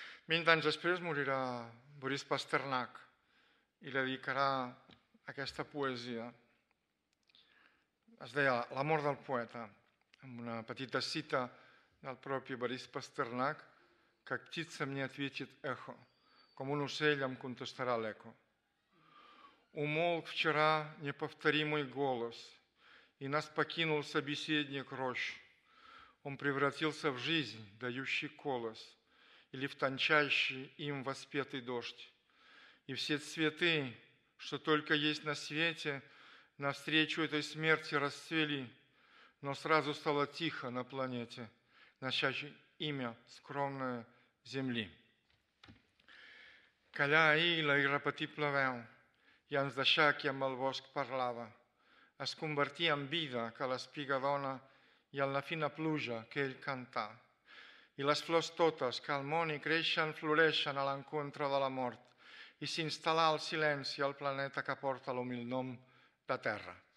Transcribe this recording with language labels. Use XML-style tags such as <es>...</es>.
<ca>20 anys després morirà Boris Pasternak i li dedicarà aquesta poesia. Es deia La mort del poeta, amb una petita cita del propi Boris Pasternak, que</ca> <ru>«Ktitsa mne atvechit echo»,</ru> <ca>com un ocell em contestarà l'eco.</ca> <ru>«Умолк вчера неповторимый голос, и нас покинул собеседник рожь. Он превратился в жизнь, дающий колос, или в тончайший им воспетый дождь. И все цветы, что только есть на свете, навстречу этой смерти расцвели, но сразу стало тихо на планете, носящей имя скромное Земли».</ru> <ca>Callà ahir la irrepetible veu, i ens deixà qui amb el bosc parlava. Es convertia en vida que l'espiga dona i en la fina pluja que ell cantà. I les flors totes que al món hi creixen floreixen a l'encontre de la mort i s'instal·la el silenci al planeta que porta l'humil nom de Terra.</ca>